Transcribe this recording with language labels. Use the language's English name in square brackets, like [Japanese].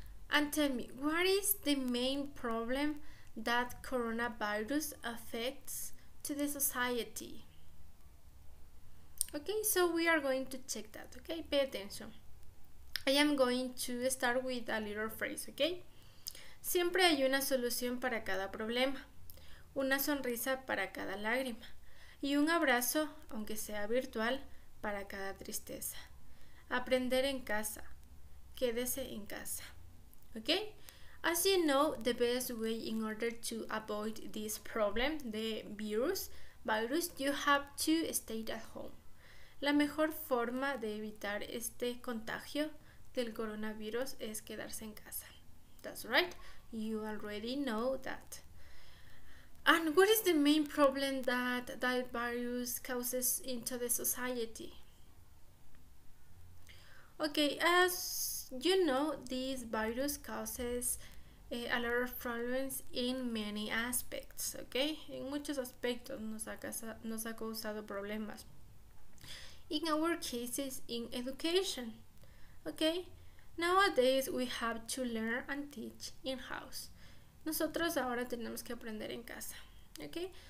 [English] And tell me, what is the main problem that coronavirus affects to the society? Okay, so we are going to check that, okay? Pay attention. I am going to start with a little phrase, okay? [Spanish] Siempre hay una solución para cada problema, una sonrisa para cada lágrima, y un abrazo, aunque sea virtual, para cada tristeza. Aprender en casa. Quédese en casa. [English] Okay, as you know, the best way in order to avoid this problem, the virus, you have to stay at home. [Spanish] La mejor forma de evitar este contagio del coronavirus es quedarse en casa. [English] That's right, you already know that. And what is the main problem that that virus causes into the society? Okay, as you know, this virus causes a lot of problems in many aspects, okay? [Spanish] En muchos aspectos nos ha causado problemas. [English] In our cases, in education, okay? Nowadays, we have to learn and teach in-house. [Spanish] Nosotros ahora tenemos que aprender en casa, okay?